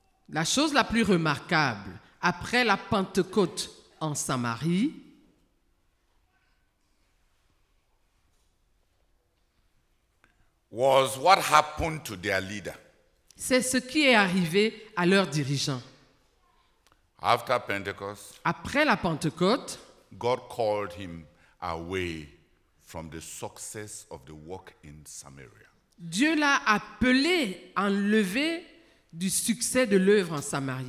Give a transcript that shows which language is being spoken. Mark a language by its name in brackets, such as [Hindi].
[French] La chose la plus remarquable après la Pentecôte en Samarie. [English] Was what happened to their leader. [French] C'est ce qui est arrivé à leur dirigeant. [English] After Pentecost, [French] après la Pentecôte, [English] God called him away from the success of the work in Samaria. [French] Dieu l'a appelé, enlevé du succès de l'œuvre en Samarie.